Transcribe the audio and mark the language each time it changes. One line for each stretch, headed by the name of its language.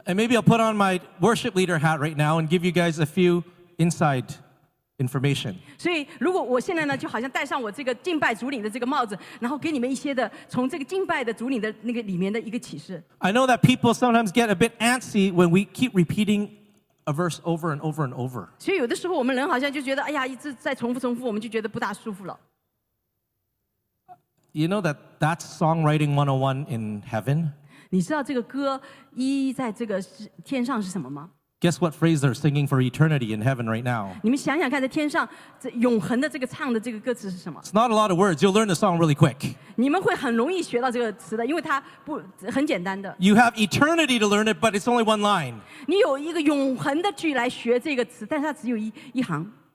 English: And maybe I'll put on my worship leader hat right now and give you guys a few inside information.
Chinese: 所以如果我现在呢就好像戴上我这个敬拜主领的这个帽子，然后给你们一些的从这个敬拜的主领的那个里面的一个启示。
English: I know that people sometimes get a bit antsy when we keep repeating a verse over and over and over.
Chinese: 所以有的时候我们人好像就觉得哎呀一直在重复重复，我们就觉得不大舒服了。
English: You know that that's songwriting 101 in heaven?
Chinese: 你知道这个歌意义在这个天上是什么吗？
English: Guess what phrase they're singing for eternity in heaven right now?
Chinese: 你们想想看，在天上这永恒的这个唱的这个歌词是什么？
English: It's not a lot of words. You'll learn the song really quick.
Chinese: 你们会很容易学到这个词的，因为它不很简单的。
English: You have eternity to learn it, but it's only one line.
Chinese: 你有一个永恒的句来学这个词，但是它只有一行。